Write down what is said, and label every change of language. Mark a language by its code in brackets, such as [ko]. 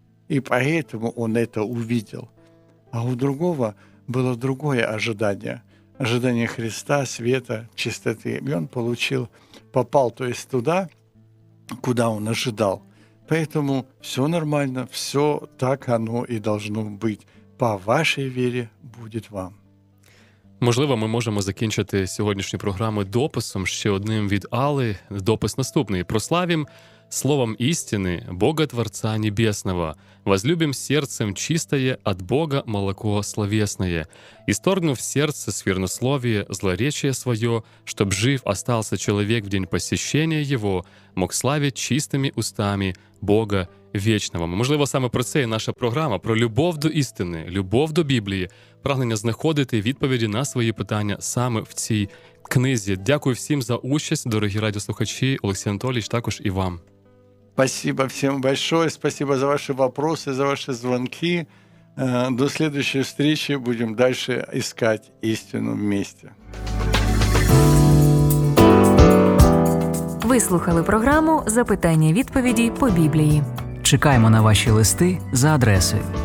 [ru] И поэтому он это увидел. А у другого было другое ожидание. Ожидание Христа, света, чистоты. И он получил, попал, то есть туда, куда он ожидал. Поэтому все нормально, все так оно и должно быть. По вашей вере будет вам. [uk] Можливо, ми можемо закінчити сьогоднішню програму дописом ще одним від Али. Допис наступний. Прославім [ru] словом истины, Бога Творца Небесного. Возлюбим сердцем чистое от Бога молоко словесное, исторгнув сердце свернословие, злоречие свое, чтоб жив остался человек в день посещения его, мог славить чистыми устами Бога Вечного». [uk] Можливо, саме про це і наша програма, про любов до істини, любов до Біблії, прагнення знаходити відповіді на свої питання саме в цій книзі. Дякую всім за участь, дорогі радіослухачі, Олексій Анатолійович, також і вам. [ru] Спасибо всем большое, спасибо за ваши вопросы, за ваши звонки. До следующей встречи, будем дальше искать истину вместе. [uk] Ви слухали програму «Запитання-відповіді по Біблії». Чекаємо на ваші листи за адресою